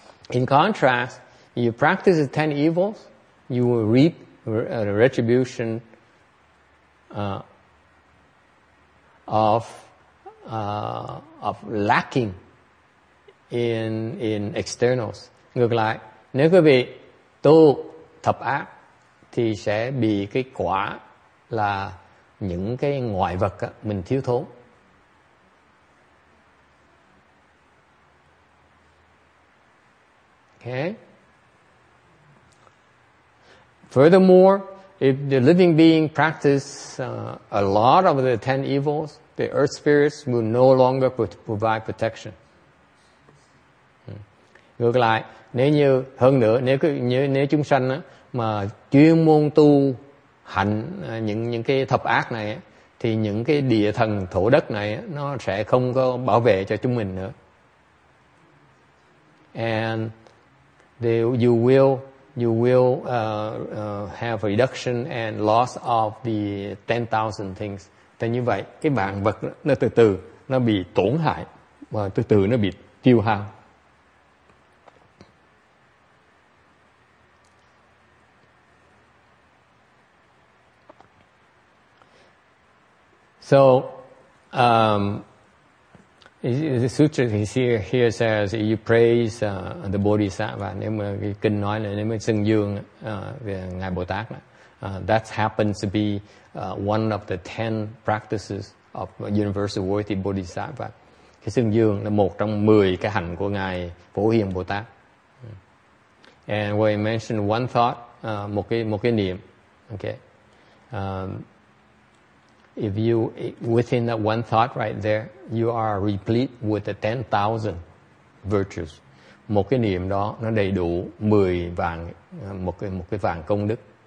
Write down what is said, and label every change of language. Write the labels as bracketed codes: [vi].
[en] In contrast, you practice the 10 evils, you will reap retribution of lacking in externals. [vi] Ngược lại, nếu quý vị tu thập ác thì sẽ bị cái quả là những cái ngoại vật á, mình thiếu thốn. [en] Okay. Furthermore, if the living being practice a lot of the 10 evils, the earth spirits will no longer provide protection. [vi] Ngược lại, nếu như hơn nữa, nếu chúng sanh á, mà chuyên môn tu hạnh những cái thập ác này á, thì những cái địa thần thổ đất này á, nó sẽ không có bảo vệ cho chúng mình nữa. [en] And you will have reduction and loss of the 10,000 things. [vi] Thế như vậy, cái vạn vật nó từ từ nó bị tổn hại và từ từ nó bị tiêu hao. [en] So, the sutra here says you praise the Bodhisattva. [vi] Nếu mà cái kinh nói là nếu mà xưng dương ngài Bồ Tát, [en] that happens to be one of the 10 practices of universal worthy Bodhisattva. [vi] Cái xưng dương là một trong 10 cái hạnh của ngài Phổ Hiền Bồ Tát. [en] And we mentioned one thought, [vi] một cái niệm, [en] okay. If you within that one thought right there, you are replete with the 10,000 virtues. [vi] Một cái niệm đó nó đầy đủ 10 vạn một cái vạn công đức.